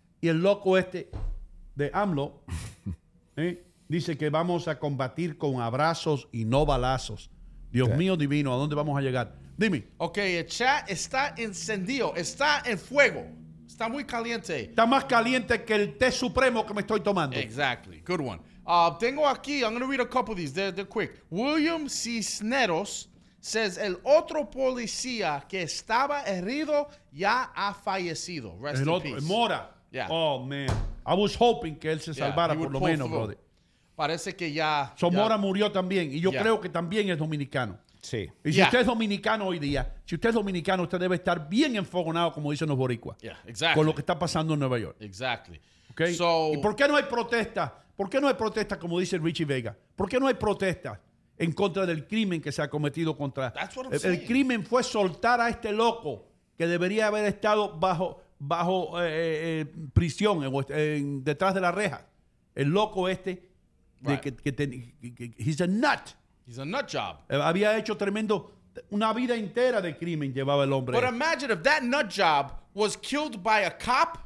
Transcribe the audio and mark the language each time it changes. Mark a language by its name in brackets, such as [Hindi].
[Spanish] Y el loco este de AMLO dice que vamos a combatir con abrazos y no balazos. Dios mío divino, ¿a dónde vamos a llegar? Dime. Ok, el chat está encendido, está en fuego, está muy caliente. Está más caliente que el té supremo que me estoy tomando. [English] Exactly, good one. [Spanish] Tengo aquí, [English] I'm going to read a couple of these, they're quick. [Spanish] William Cisneros says, el otro policía que estaba herido ya ha fallecido. [English] Rest [Spanish] el otro, [English] peace. [Spanish] Mora. [English] Yeah. Oh, man. I was hoping [Spanish] que él se salvara por lo menos, [English] through. Brother. [Spanish] Parece que ya... So Mora murió también, y yo creo que también es dominicano. Sí. Y si usted es dominicano hoy día, si usted es dominicano, usted debe estar bien enfogonado, como dicen los boricuas. [English] Yeah, exactly. [Spanish] Con lo que está pasando en Nueva York. [English] Exactly. Okay? So, [Spanish] ¿y por qué no hay protesta? ¿Por qué no hay protesta, como dice Richie Vega? ¿Por qué no hay protesta en contra del crimen que se ha cometido contra... El crimen fue soltar a este loco que debería haber estado bajo prisión, detrás de la reja. El loco este, [English] right. He's a nut. He's a nut job. [Spanish] Había hecho tremendo... Una vida entera de crimen llevaba el hombre. [English] But imagine if that nut job was killed by a cop.